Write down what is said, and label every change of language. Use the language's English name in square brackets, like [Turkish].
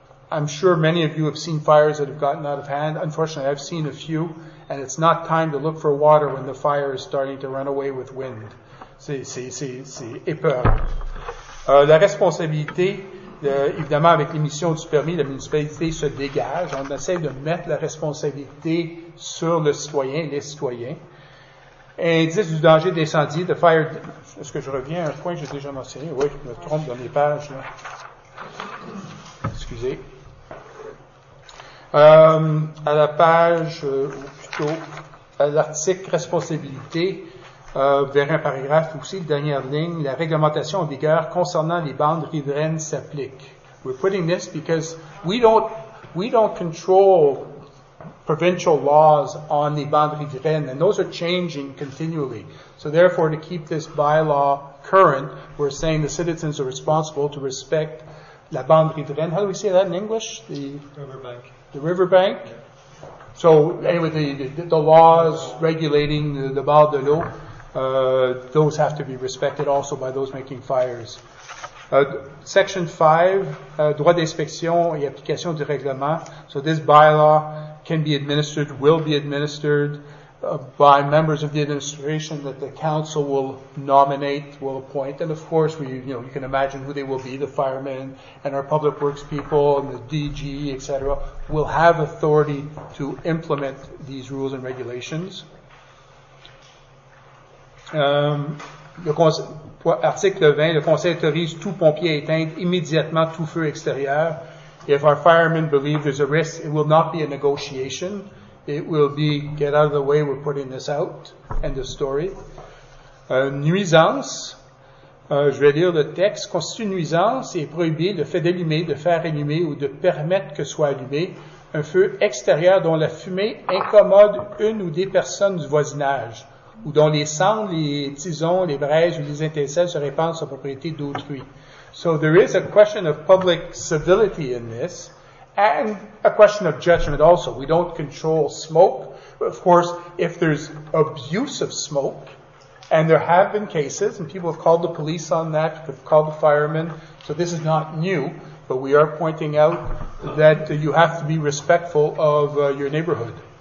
[English] I'm sure many of you have seen fires that have gotten out of hand. Unfortunately, I've seen a few, and it's not time to look for water when the fire is starting to run away with wind. [French] C'est épeurant. La responsabilité... évidemment, avec l'émission du permis, la municipalité se dégage. On essaie de mettre la responsabilité sur le citoyen, les citoyens. Indice du danger d'incendie, de fire... Est-ce que je reviens à un point que j'ai déjà mentionné? Oui, je me trompe dans les pages. Là. Excusez. À la page, ou plutôt, à l'article responsabilité... vers un paragraphe aussi, dernière ligne, la réglementation en vigueur concernant les bandes riveraines s'applique. [English] We're putting this because we don't control provincial laws on [French] les bandes riveraines, [English] and those are changing continually. So therefore, to keep this bylaw current, we're saying the citizens are responsible to respect [French] la bande riveraine. [English] How do we say that in English? The riverbank. The riverbank. Yeah. So anyway, the laws regulating the [French] bord de l'eau. [English] Those have to be respected also by those making fires. Section 5, [French] droit d'inspection et application du règlement. [English] So this bylaw can be administered, will be administered, by members of the administration that the council will nominate, will appoint. And of course, we, you know, you can imagine who they will be, the firemen and our public works people and the DG, et cetera, will have authority to implement these rules and regulations. [French] Article 20, le conseil autorise tout pompier éteindre immédiatement tout feu extérieur. [English] If our firemen believe there's a risk, it will not be a negotiation. It will be, get out of the way, we're putting this out, end of story. [French] Nuisance, je vais lire le texte, constitue une nuisance et prohibée le fait d'allumer, de faire allumer ou de permettre que soit allumé un feu extérieur dont la fumée incommode une ou des personnes du voisinage ou dont les cendres, les tisons, les braises ou les étincelles se répandent sur la propriété d'autrui. [English] So there is a question of public civility in this. And a question of judgment also. We don't control smoke. Of course, if there's abuse of smoke, and there have been cases, and people have called the police on that, have called the firemen, so this is not new, but we are pointing out that you have to be respectful of your neighborhood.